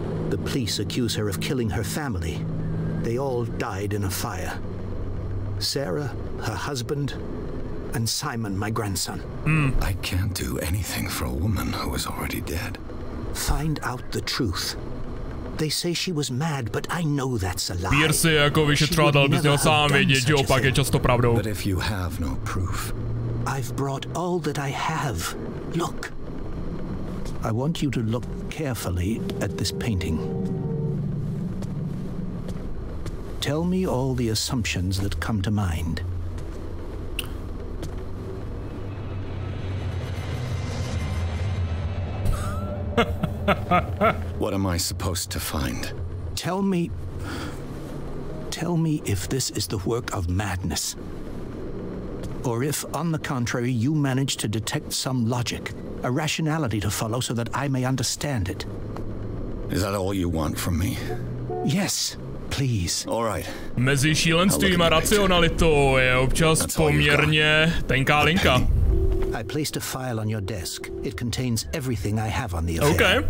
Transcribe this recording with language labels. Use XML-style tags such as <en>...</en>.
<en>The police accuse her of killing her family. They all died in a fire. Sarah, her husband, and Simon, my grandson. I can't do anything for a woman who is already dead. Find out the truth. They say she was mad, but I know that's a lie.</en> <cs>Pierce je jako vyšetřovatel, bys měl sám vědět, že opak je často pravdou.</cs> <en>But if you have no proof. I've brought all that I have. Look. I want you to look carefully at this painting. Tell me all the assumptions that come to mind. What am I supposed to find? Tell me if this is the work of madness. Or if, on the contrary, you manage to detect some logic, a rationality to follow so that I may understand it. Is that all you want from me? Yes, please. All right.</en> <cs>Mezi šílenstvím a racionalitou je občas poměrně tenká linka.</cs> <en>I placed a file on your desk. It contains everything I have on the affair.</en>